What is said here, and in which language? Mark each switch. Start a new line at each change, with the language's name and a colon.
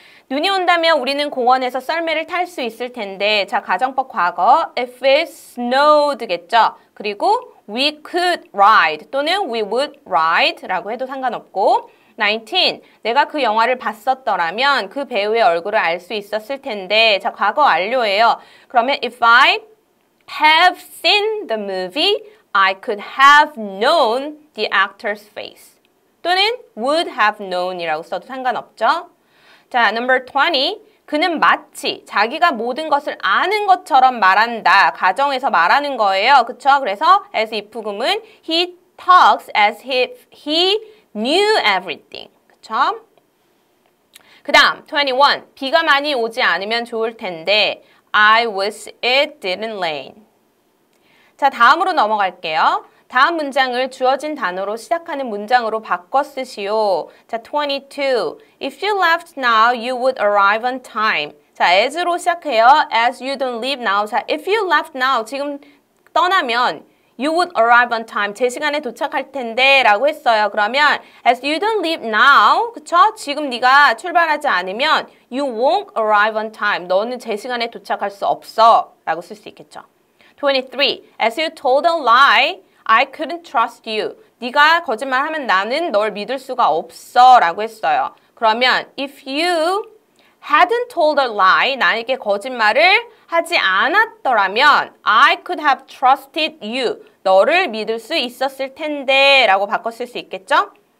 Korean: 눈이 온다면 우리는 공원에서 썰매를 탈 수 있을 텐데, 자, 가정법 과거,
English: if it snowed
Korean: 겠죠.
English: 그리고 we could ride 또는 we would ride라고 해도 상관없고, 19.
Korean: 내가 그 영화를 봤었더라면 그 배우의 얼굴을 알 수 있었을 텐데, 자, 과거 완료예요.
English: 그러면 if I have seen the movie, I could have known the actor's face.
Korean: 또는
English: would have known
Korean: 이라고 써도 상관없죠. 자, number 20. 그는 마치 자기가 모든 것을 아는 것처럼 말한다. 가정에서 말하는 거예요.
English: 그쵸? 그래서 as if 구문, he talks as if he knew everything. 그쵸?
Korean: 그 다음, 21. 비가 많이 오지 않으면 좋을 텐데,
English: I wish it didn't rain.
Korean: 자, 다음으로 넘어갈게요. 다음 문장을 주어진 단어로 시작하는 문장으로 바꿔 쓰시오. 자, 22.
English: If you left now, you would arrive on time.
Korean: 자, as로 시작해요.
English: As you don't leave now. 자, if you left now,
Korean: 지금 떠나면
English: you would arrive on time.
Korean: 제 시간에 도착할 텐데 라고 했어요.
English: 그러면 as you don't leave now, 그쵸?
Korean: 지금 네가 출발하지 않으면
English: you won't arrive on time.
Korean: 너는 제 시간에 도착할 수 없어 라고 쓸 수 있겠죠.
English: 23. As you told a lie, I couldn't trust you.
Korean: 네가 거짓말하면 나는 널 믿을 수가 없어 라고 했어요.
English: 그러면 if you hadn't told a lie,
Korean: 나에게 거짓말을 하지 않았더라면
English: I could have trusted you.
Korean: 너를 믿을 수 있었을 텐데 라고 바꿨을 수 있겠죠?